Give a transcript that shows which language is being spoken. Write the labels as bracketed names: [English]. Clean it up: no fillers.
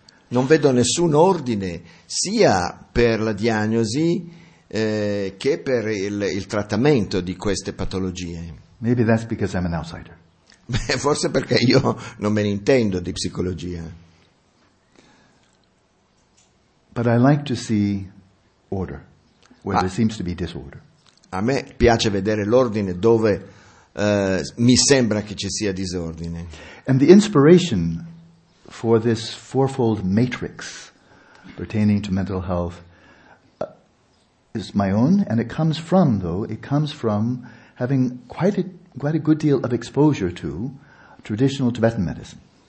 [Italian] Non vedo nessun ordine sia per la diagnosi che per il trattamento di queste patologie. [English] Maybe that's because I'm an outsider. [Italian] Forse perché io non me ne intendo di psicologia. [English] But I like to see order where there seems to be disorder. [Italian] A me piace vedere l'ordine dove mi sembra che ci sia disordine. [English] And the inspiration for this fourfold matrix pertaining to mental health is my own, and it comes from having quite a good deal of exposure to traditional Tibetan medicine.